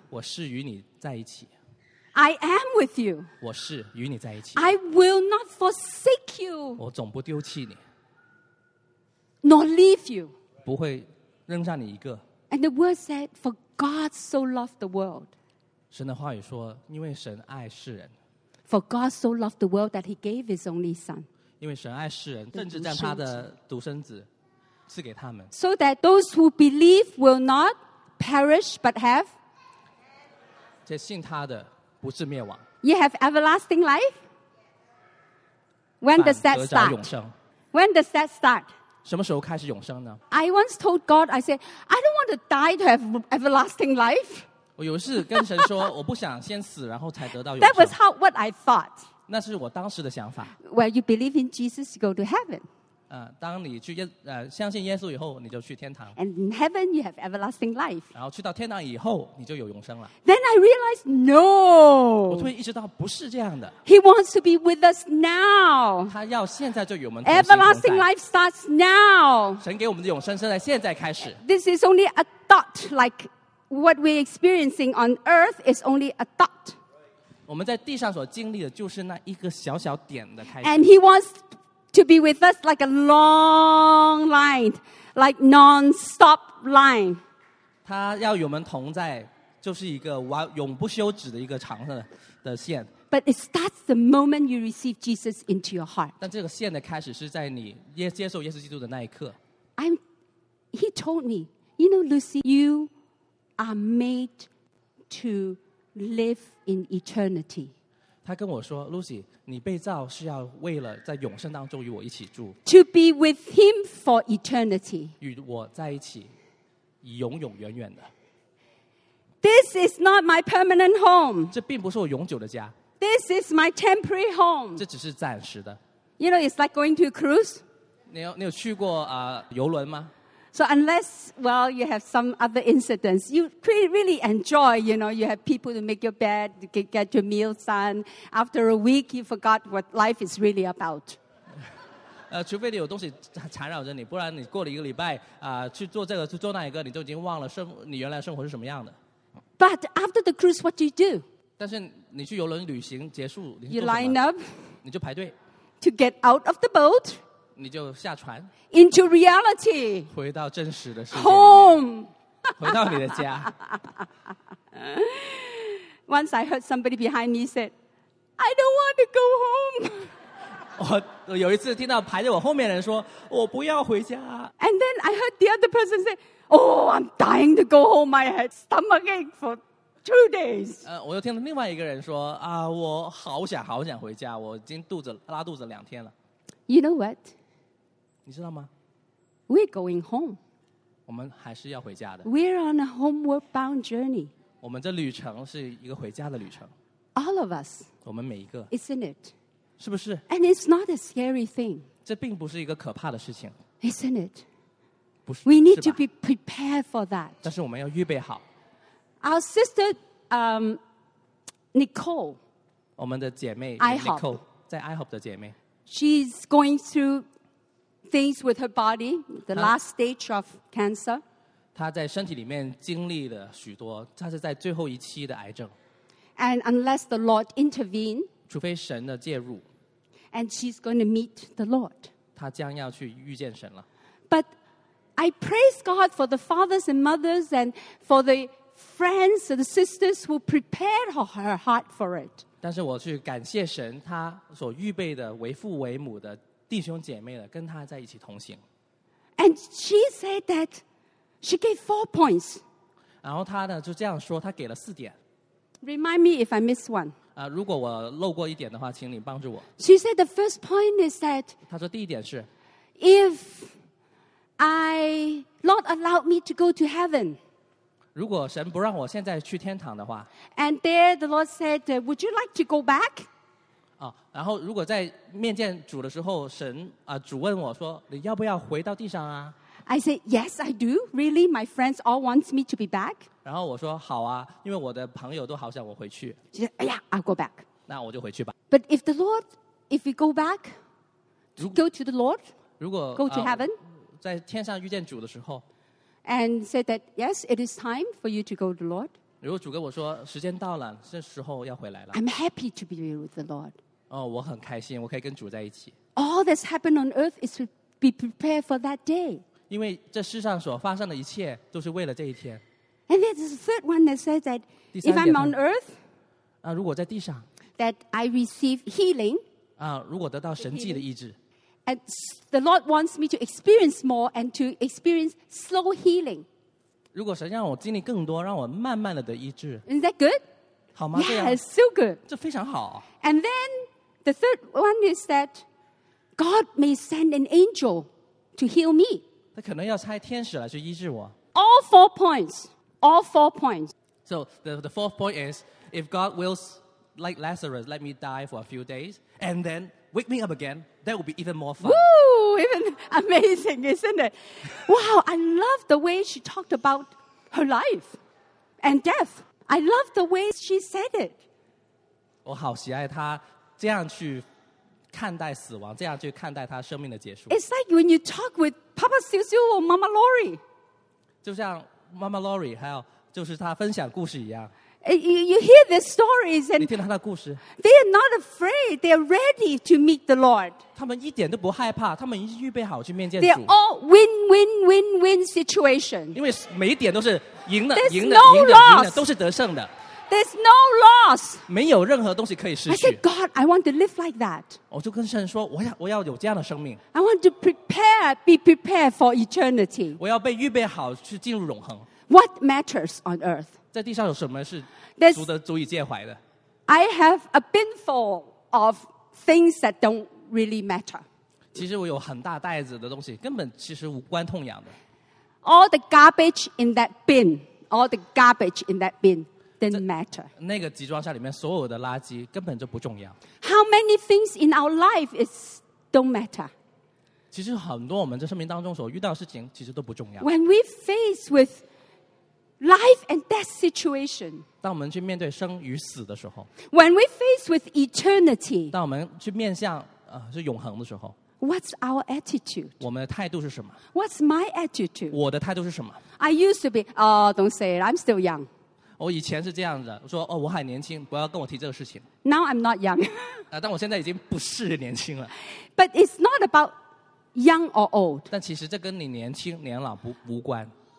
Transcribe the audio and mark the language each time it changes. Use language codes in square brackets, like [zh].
[zh] 我是与你在一起 [en] I am with you. [zh] 我是与你在一起 [en] I will not forsake you. [zh] 我总不丢弃你 [en] Nor leave you. [zh] 不会扔下你一个 [en] And the word said, for God so loved the world. [zh] 神的话语说因为神爱世人 [en] For God so loved the world that he gave his only son [zh] 因为神爱世人甚至将他的独生子赐给他们 [en] So that those who believe will not perish but have [zh] 这信他的不至灭亡 [en] You have everlasting life? When does that start? [zh] 永生 [en] When does that start? [zh] 什么时候开始永生呢 [en] I once told God I said I don't want to die to have everlasting life [zh] 我有事跟神说，我不想先死，然后才得到永 [en] 生。That was how what I thought. [zh] 那是我当时的想法。 [en] Well, you believe in Jesus, you go to heaven. [zh] 当你去相信耶稣以后，你就去天堂。 [en] And in heaven, you have everlasting life. [zh] 然后去到天堂以后，你就有永生了。 [en] Then I realized, no. [zh] 我突然意识到不是这样的。 [en] He wants to be with us now. [zh] 他要现在就与我们同行同在。 [en] Everlasting life starts now. [zh] 神给我们的永生是在现在开始。 [en] This is only a thought, like. What we're experiencing on earth is only a thought. [zh] 我们在地上所经历的就是那一个小小点的开始。 [en] And he wants to be with us like a long line, like non-stop line. [zh] 他要与我们同在，就是一个永不休止的一个长的线。 [en] But it starts the moment you receive Jesus into your heart. [zh] 但这个线的开始是在你接受耶稣基督的那一刻。 [en] He told me, you know, Lucy, you... are made to live in eternity. [zh] 他跟我说 ，Lucy， 你被造是要为了在永生当中与我一起住。 [en] To be with him for eternity. [zh] 与我在一起，永永远远的。 [en] This is not my permanent home. [zh] 这并不是我永久的家。 [en] This is my temporary home. [zh] 这只是暂时的。 [en] You know, it's like going to a cruise. [zh] 你有去过游轮吗？ [en] So unless, well, you have some other incidents, you really enjoy, you know, you have people to make your bed, get your meals done. After a week, you forgot what life is really about. [zh] 除非你有东西缠绕着你，不然你过了一个礼拜，去做这个，去做那一个，你就已经忘了你原来生活是什么样的。 [en] But after the cruise, what do you do? [zh] 但是你去游轮旅行结束，你做什么？ [en] You line up. [zh] 你就排队。 [en] To get out of the boat. [zh] 你就下船 [en] into reality [zh] 回到真实的世界 [en] home [zh] 回到你的家 [en] Once I heard somebody behind me said I don't want to go home [zh] 我有一次听到排在我后面的人说我不要回家 [en] And then I heard the other person say Oh I'm dying to go home I had stomach ache for two days [zh] 我又听到另外一个人说我好想好想回家我已经拉肚子两天了 [en] You know what? [zh] 你知道吗 [en] We're going home. [zh] 我们还是要回家的 [en] We're on a homeward bound journey. [zh] 我们这旅程是一个回家的旅程 [en] All of us. [zh] 我们每一个 [en] Isn't it? [zh] 是不是 [en] And it's not a scary thing. [zh] 这并不是一个可怕的事情 [en] Isn't it? [zh] 不是 [en] We need to be prepared for that. [zh] 但是我们要预备好 [en] Our sister, Nicole. [zh] 我们的姐妹 [en] IHOP. [zh] Nicole, 在 IHOP 的姐妹 [en] She's going through... things with her body, the last stage of cancer. [zh] 她在身体里面经历了许多，她是在最后一期的癌症。 [en] And unless the Lord intervene, [zh] 除非神的介入。 [en] And she's going to meet the Lord. [zh] 她将要去遇见神了。 [en] But I praise God for the fathers and mothers and for the friends and the sisters who prepared her heart for it. [zh] 但是我去感谢神，她所预备的为父为母的弟兄姐妹的跟他在一起同行 [en] And she said that she gave 4 points. [zh] 然后他呢就这样说，他给了四点。 [en] Remind me if I miss one. [zh] 如果我漏过一点的话，请你帮助我。 [en] She said the first point is that. [zh] 他说第一点是 [en] ，If I Lord allowed me to go to heaven. [zh] 如果神不让我现在去天堂的话 [en] ，And there the Lord said, Would you like to go back? [zh] 然后如果在面见主的时候，神主问我说：“你要不要回到地上啊 [en] ？”I say yes, I do. Really, my friends all want me to be back. [zh] 然后我说：“好啊，因为我的朋友都好想我回去。 [en] ”She said, "Yeah, I'll go back." [zh] 那我就回去吧。 [en] But if the Lord, if we go back, go to the Lord, [zh] 如果 [en] go to heaven, [zh] 在天上遇见主的时候 [en] ，and said that yes, it is time for you to go to the Lord. [zh] 如果主跟我说时间到了，是时候要回来了 [en] ，I'm happy to be with the Lord. [zh] 我很开心，我可以跟主在一起。 [en] All that's happened on earth is to be prepared for that day. [zh] 因为这世上所发生的一切都是为了这一天。 [en] And there's a third one that says that if I'm on earth, [zh] 如果在地上 [en] ，that I receive healing. [zh] 如果得到神迹的医治 [en] ，and the Lord wants me to experience more and to experience slow healing. [zh] 如果神让我经历更多，让我慢慢的医治 [en] ，is that good? [zh] 好吗？这样 [en] ，yeah, it's so good. [zh] 这非常好。 [en] And then. The third one is that God may send an angel to heal me. [zh] 他可能要差天使来去医治我。 [en] All 4 points. All 4 points. So the fourth point is, if God wills, like Lazarus, let me die for a few days, and then wake me up again, that would be even more fun. Woo! Even amazing, isn't it? Wow, I love the way she talked about her life and death. I love the way she said it. [zh] 我好喜爱她这样去看待死亡, 这样去看待她生命的结束。 [en] It's like when you talk with Papa Siu-Siu or Mama Lori. [zh] 就像 Mama Lori, 还有就是她分享故事一样。 [en] You hear their stories and [zh] 你听到他的故事? [en] They are not afraid. They are ready to meet the Lord. [zh] 他们一点都不害怕, 他们已经预备好去面见主。 [en] They are all win-win-win-win situation. [zh] 因为每一点都是赢的,赢的,赢的,赢的,都是得胜的。 [en] There's no loss. [zh] 没有任何东西可以失去。 [en] I said, God, I want to live like that. [zh] 我就跟神说, 我要有这样的生命。 [en] I want to prepare, be prepared for eternity. [zh] 我要被预备好去进入永恒。 [en] What matters on earth? [zh] 在地上有什么是足以介怀的? [en] I have a bin full of things that don't really matter. [zh] 其实我有很大袋子的东西, 根本其实无关痛痒的。 [en] All the garbage in that bin, all the garbage in that bin didn't matter. [zh] 那个集装箱里面所有的垃圾根本就不重要。 [en] How many things in our life is don't matter? [zh] 其实很多我们在生命当中所遇到的事情其实都不重要。 [en] When we face with life and death situation. [zh] 当我们去面对生与死的时候, [en] when we face with eternity. [zh] 当我们去面向, 是永恒的时候, [en] what's our attitude? [zh] 我们的态度是什么? [en] What's my attitude? [zh] 我的态度是什么? [en] I used to be, oh, don't say it, I'm still young. [zh] 我以前是这样的, 说, 哦, 我还年轻, 不要跟我提这个事情。 [en] Now I'm not young. [zh] 但我现在已经不是年轻了。 [en] But it's not about young or old. [zh] 但其实这跟你年轻年老无关。